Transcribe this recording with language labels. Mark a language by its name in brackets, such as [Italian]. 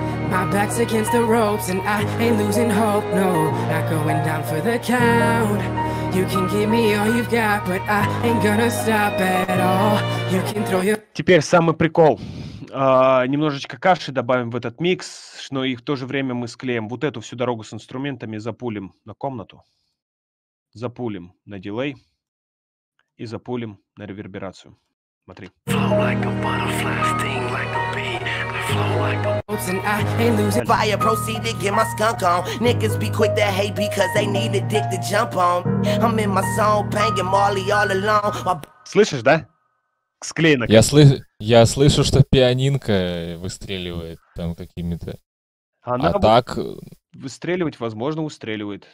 [English] My back's against the ropes and I ain't losing hope, no. Not going down for the count. You can give me all you've got, but I ain't gonna stop at all. You can throw your... [Russian] Теперь самый прикол. Немножечко каши добавим в этот микс, но и в то же время мы склеим вот эту всю дорогу с инструментами, запулим на комнату, запулим на дилей и запулим на реверберацию. Смотри. [English] And I ain't losing fire, proceed to get my skunk on. Niggas be quick to hate because they need a dick to jump on. I'm in my song, banging Molly all along. [Russian] Слышишь, да? Склеено. Я слышу, что пианинка выстреливает там какими-то. Она а так... Выстреливать, возможно, устреливает.